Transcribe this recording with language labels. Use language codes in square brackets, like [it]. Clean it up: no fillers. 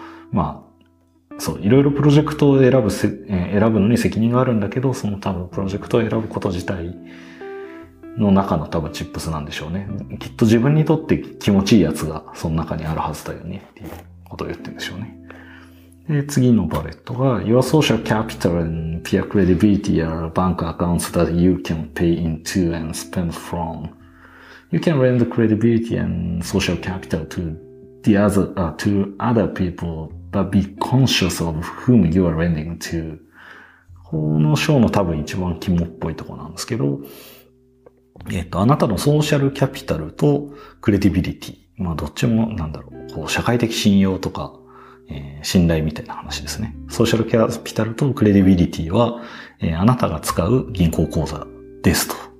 [ja] まあ、そう、いろいろプロジェクトを選ぶのに責任があるんだけど、その多分プロジェクトを選ぶこと自体の中の多分チップスなんでしょうね。きっと自分にとって気持ちいいやつがその中にあるはずだよねっていうことを言ってるんでしょうね。で、次のバレットが、 [en] Your social capital and peer credibility are bank accounts that you can pay into and spend from. You can lend credibility and social capital to the other, to other people, but be conscious of whom you are lending to. [ja] この章の多分一番肝っぽいところなんですけど、あなたのソーシャルキャピタルとクレディビリティ。まあ、どっちもなんだろう。こう、社会的信用とか、信頼みたいな話ですね。ソーシャルキャピタルとクレディビリティは、あなたが使う銀行口座ですと。